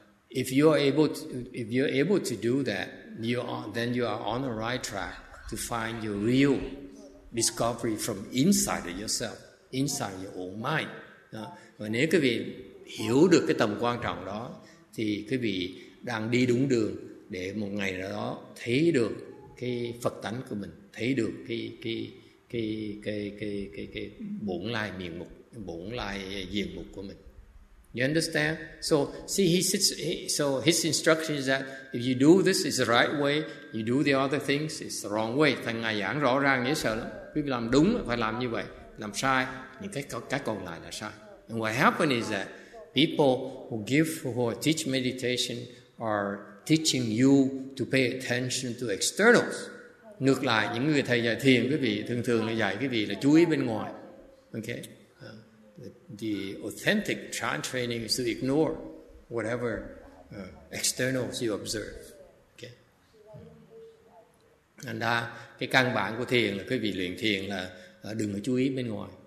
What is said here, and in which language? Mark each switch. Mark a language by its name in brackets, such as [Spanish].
[English] If you're able to do that, you are, then you are on the right track to find your real discovery from inside of yourself, inside your own mind. [Vietnamese] Và nếu quý vị hiểu được cái tầm quan trọng đó, thì quý vị đang đi đúng đường để một ngày nào đó thấy được cái Phật tánh của mình, thấy được cái bổn lai miền mục, bổn lai diện mục của mình. [English] You understand? So see, his instruction is that if you do this, it's the right way. You do the other things, it's the wrong way. [Vietnamese] Thầy ngài giảng rõ ràng dễ sợ lắm. Quý vị làm đúng phải làm như vậy, làm sai những cái còn lại là sai. [English] And what happened is that people who teach meditation are teaching you to pay attention to externals. [Vietnamese] Ngược lại, những người thầy dạy thiền, quý vị thường thường dạy quý vị là chú ý bên ngoài. [English] Okay. The authentic chant training is to ignore whatever externals you observe. Okay. [Vietnamese] And cái căn bản của thiền là quý vị luyện thiền là đừng có chú ý bên ngoài.